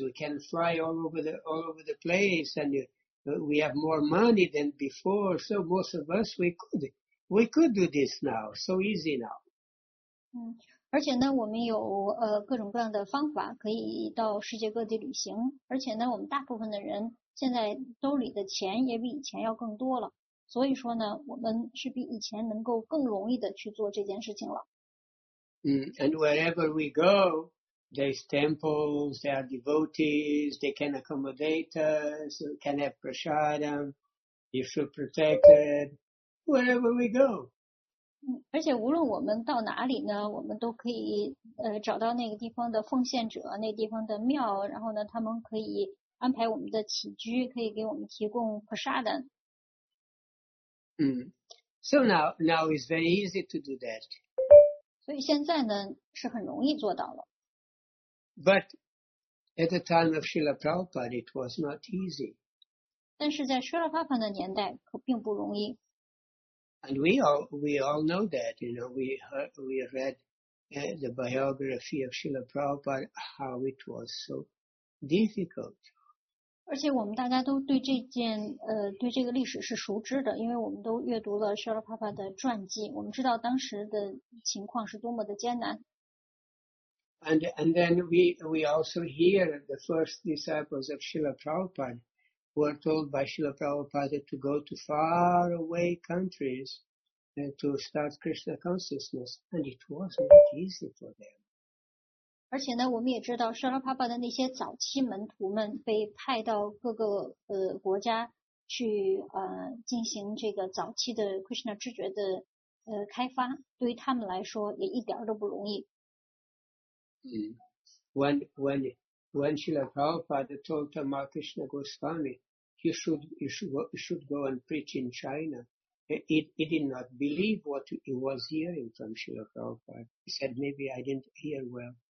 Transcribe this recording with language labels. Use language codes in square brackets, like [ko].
[en] We can fly all over the place, and we have more money than before. So most of us we could do this now. So easy now. [zh] 而且呢，我们有各种各样的方法可以到世界各地旅行。而且呢，我们大部分的人现在兜里的钱也比以前要更多了。所以说呢，我们是比以前能够更容易的去做这件事情了。 [en] And wherever we go, there's temples, there are devotees, they can accommodate us, can have prasadam, you feel protected, wherever we go. [zh] 而且无论我们到哪里呢，我们都可以找到那个地方的奉献者，那个地方的庙，然后呢，他们可以安排我们的起居，可以给我们提供prasadam。 [en] So now it's very easy to do that. [zh] 所以现在呢是很容易做到了。 [en] But at the time of Srila Prabhupada, it was not easy. [zh] 但是在 Srila Prabhupada 的年代可并不容易。 [en] And we all know that, you know, we read the biography of Srila Prabhupada, how it was so difficult. [zh] 而且我们大家都对这件对这个历史是熟知的，因为我们都阅读了 Srila Prabhupada 的传记，我们知道当时的情况是多么的艰难。 [en] And then we also hear the first disciples of Srila Prabhupada were told by Srila Prabhupada to go to far away countries to start Krishna consciousness, and it was not easy for them. [zh] 而且呢，我们也知道，舍拉帕巴的那些早期门徒们被派到各个国家去进行这个早期的 Krishna 知觉的开发，对于他们来说也一点都不容易。 [en] When Srila Prabhupada told Tamal Krishna Goswami, you should go and preach in China, he did not believe what he was hearing from Srila Prabhupada. He said, maybe I didn't hear well.